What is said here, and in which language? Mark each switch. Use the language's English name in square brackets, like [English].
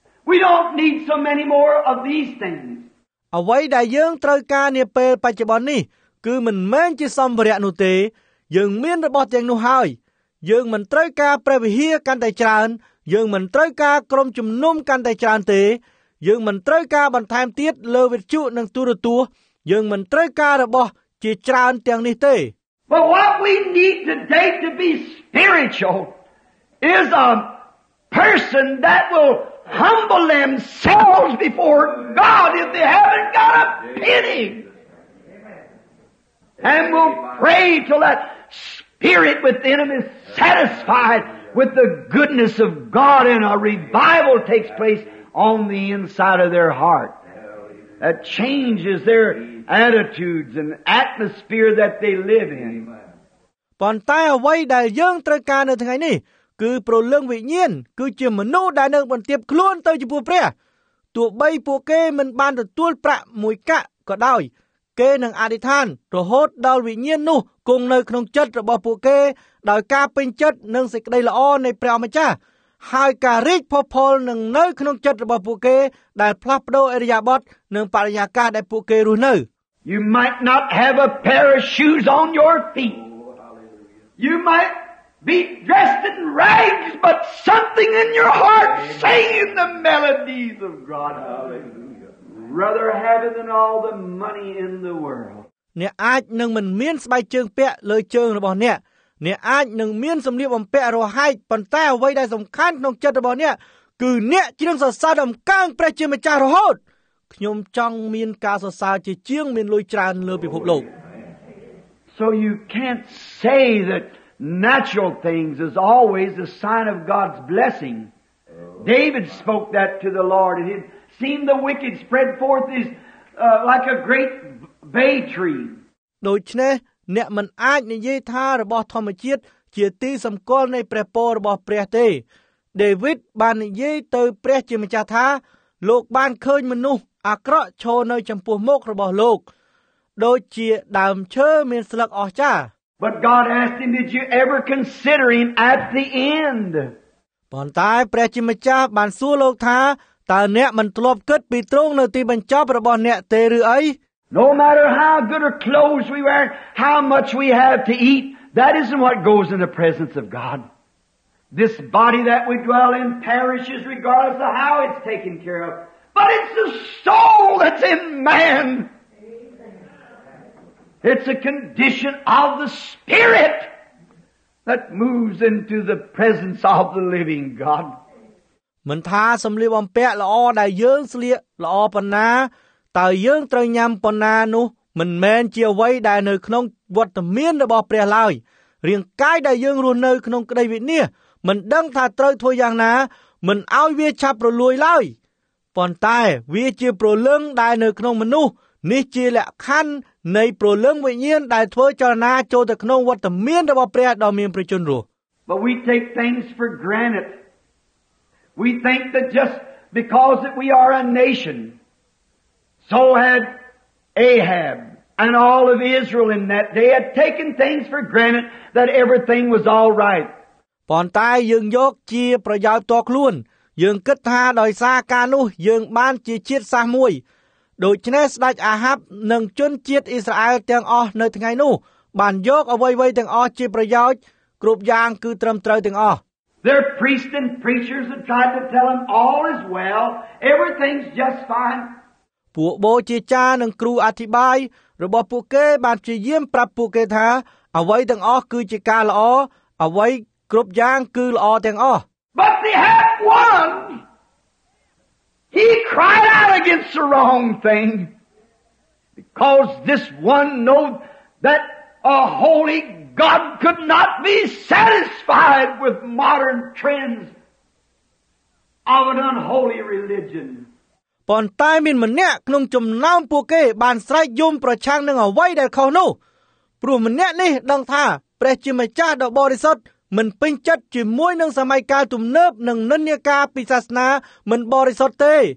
[English] We don't need so many more of these things. [Khmer] អ្វីដែលយើងត្រូវការនាពេលបច្ចុប្បន្ននេះគឺមិនមែនជាសម្ភារៈនោះទេយើងមានរបស់ទាំងនោះហើយយើងមិនត្រូវការព្រះវិហារកាន់តែច្រើនយើងមិនត្រូវការក្រុមជំនុំកាន់តែច្រើនទេយើងមិនត្រូវការបន្ថែមទៀតលើវិទ្យុនិងទូរទស្សន៍យើងមិនត្រូវការរបស់ជាច្រើនទាំងនេះទេ [English] But what we need today to be spiritual is a person that willHumble themselves before God if they haven't got a penny. And will pray till that spirit within them is satisfied with the goodness of God and a revival takes place on the inside of their heart. That changes their attitudes and atmosphere that they live in. [Khmer] ប៉ុន្តែអ្វីដែលយើងត្រូវការនៅថ្ងៃនេះគឺប្រលឹងវិញ្ញាណគឺជាមនុស្សដែលនឹងបន្ទាបខ្លួនទៅចំពោះព្រះទោះបីពួកគេមិនបានទទួលប្រាក់មួយកាក់ក៏ដោយគេនឹងអធិដ្ឋានរហូតដល់វិញ្ញាណនោះគង់នៅក្នុងចិត្តរបស់ពួកគេដោយការពេញចិត្តនិងសេចក្តីល្អនៃព្រះម្ចាស់ហើយការរីកផុសផុលនឹងនៅក្នុងចិត្តរបស់ពួកគេដែលផ្លាស់ប្តូរឥរិយាបថនិងបរិយាកាសដែលពួកគេរស់នៅ [English] You might not have a pair of shoes on your feet You mightBe dressed in rags, but something in your heart singing the melodies of God. Hallelujah. Rather have it than all the money in the world. [Khmer] អ្នកអាចនឹងមិនមានស្បែកជើងពាក់លើជើងរបស់អ្នកអ្នកអាចនឹងមានសម្លៀកបំពាក់រហែកប៉ុន្តែអ្វីដែលសំខាន់ក្នុងចិត្តរបស់អ្នកគឺអ្នកជ្រងសរសើរដំកើងព្រះជាម្ចាស់រហូតខ្ញុំចង់មានការសរសើរជាជាងមានលុយច្រើនលើពិភពលោក [English] So you can't say thatNatural things is always a sign of God's blessing. David spoke that to the Lord, and he'd seen the wicked spread forth his, like a great bay tree. [Khmer] ដូច្នេះអ្នកមិនអាចនិយាយថារបស់ធម្មជាតិជាទីសម្គាល់នៃព្រះពររបស់ព្រះទេ David បាននិយាយទៅព្រះជាម្ចាស់ថាលោកបានឃើញមនុស្សអាក្រក់ឈរនៅចំពោះមុខរបស់លោកដូចជាដើមឈើមានស្លឹកអស្ចារ្យ [English] But God asked him, did you ever consider him at the end? [Khmer] ប៉ុន្តែព្រះជាម្ចាស់បានសួរលោកថាតើអ្នកមិនធ្លាប់គិតពីទ្រង់នៅទីបញ្ចប់របស់អ្នកទេឬអី? [English] No matter how good a clothes we wear, how much we have to eat, that isn't what goes in the presence of God. This body that we dwell in perishes regardless of how it's taken care of. But it's the soul that's in man. It's a condition of the spirit that moves into the presence of the living God. [Khmer] មិនថាសម្លៀកបំពាក់ល្អដែលយើងស្លៀកល្អប៉ុណ្ណាតើយើងត្រូវញ៉ាំប៉ុណ្ណានោះមិនមែនជាអ្វីដែលនៅក្នុងវត្តមានរបស់ព្រះឡើយរាងកាយដែលយើងរស់នៅក្នុងក្តីវិនាសមិនដឹងថាត្រូវធ្វើយ៉ាងណាមិនឲ្យវាឆាប់រលួយឡើយប៉ុន្តែវាជាព្រលឹងដែលនៅក្នុងមនុស្សនេះជាលក្ខណ្ឌនៃព្រលឹងវិញ្ញាណដែលធ្វើចលនាចូលទៅក្នុងវត្តមានរបស់ព្រះដ៏មានព្រះជន្មរស់ [English] But we take things for granted. We think that just because that we are a nation, so had Ahab and all of Israel in that day had taken things for granted that everything was all right. [Khmer] ប៉ុន្តែយើងយកជាប្រយោជន៍តខ្លួនយើងគិតថាដោយសារការនោះយើងបានជាជាតិសាសមួយដូច្នេះស្ដេចអាហាប់និងជនជាតិអ៊ីស្រាអែលទាំងអស់នៅថ្ងៃនោះបានយកអ្វីៗទាំងអស់ជាប្រយោជន៍គ្រប់យ៉ាងគឺត្រឹមត្រូវទាំងអស់ [English] Their priests and preachers had tried to tell them all is well everything's just fine [Khmer] ពួកបូជាចារ្យនិងគ្រូអធិប្បាយរបស់ពួកគេបានព្យាយាមប្រាប់ពួកគេថាអ្វីទាំងអស់គឺជាការល្អអ្វីគ្រប់យ៉ាងគឺល្អទាំងអស់ [English] But they had one. He cried out against the wrong thing because this one knew that a holy God could not be satisfied with modern trends of an unholy religion. [Khmer] ប៉ុន្តែមានម្នាក់ក្នុងចំណោមពួកគេបានស្រែកយំប្រឆាំងនឹងអ្វីដែលខុសនោះព្រោះម្នាក់នេះដឹងថាព្រះជាម្ចាស់ដ៏បរិសុទ្ធមិនពេញចិត្តជាមួយនឹងសម័យកាលទំនើបនិងនិន្នាការពីសាសនាមិនបរិសុទ្ធទេ